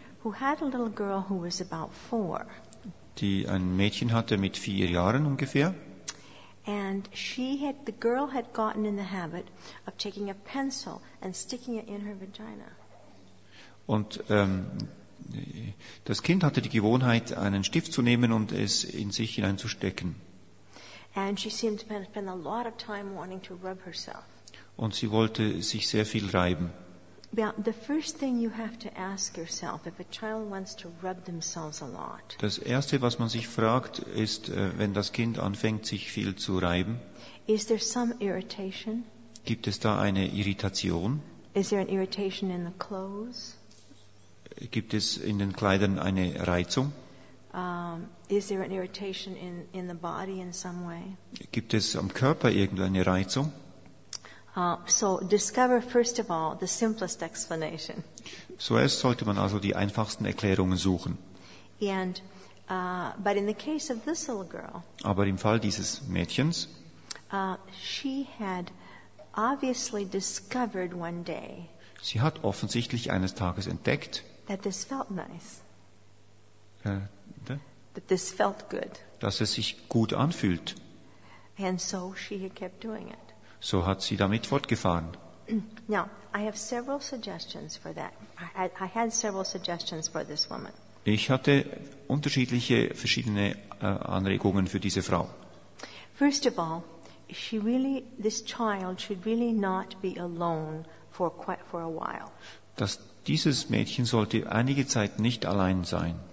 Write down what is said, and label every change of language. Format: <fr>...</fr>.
<en>who had a little girl who was about 4.</en> <de>Die ein Mädchen hatte mit 4 Jahren ungefähr.</de> <en>And she had, the girl had gotten in the habit of taking a pencil and sticking it in her vagina.</en> <de>Und das Kind hatte die Gewohnheit, einen Stift zu nehmen und es in sich hineinzustecken.</de> <en>And she seemed to spend a lot of time wanting to rub herself.</en> <de>Und sie wollte sich sehr viel reiben.</de> <en>Yeah, the first thing you have to ask yourself if a child wants to rub themselves a lot.</en> <de>Das erste, was man sich fragt, ist, wenn das Kind anfängt, sich viel zu reiben.</de> <en>Is there some irritation?</en> <de>Gibt es da eine Irritation?</de> <en>Is there an irritation in the clothes?</en> <de>Gibt es in den Kleidern eine Reizung?</de> <en>Is there an irritation in the body in some way?</en> <de>Gibt es am Körper irgendeine Reizung?</de> <en>So discover first of all the simplest explanation.</en> <de>Zuerst sollte man also die einfachsten Erklärungen suchen.</de> <en>And but in the case of this little girl.</en> <de>Aber im Fall dieses Mädchens.</de> <en>She had obviously discovered one day.</en> <de>Sie hat offensichtlich eines Tages entdeckt.</de> <en>That this felt nice. That this felt good.</en> <de>Dass es sich gut anfühlt.</de> <en>And so she had kept doing it.</en> <de>So hat sie damit fortgefahren.</de> <en>Now, I have several suggestions for that. I had several suggestions for this woman.</en> <de>Ich hatte unterschiedliche verschiedene Anregungen für diese Frau.</de> <en>First of all, this child should really not be alone for a while.</en> <de>Dass dieses Mädchen sollte einige Zeit nicht allein sein.</de>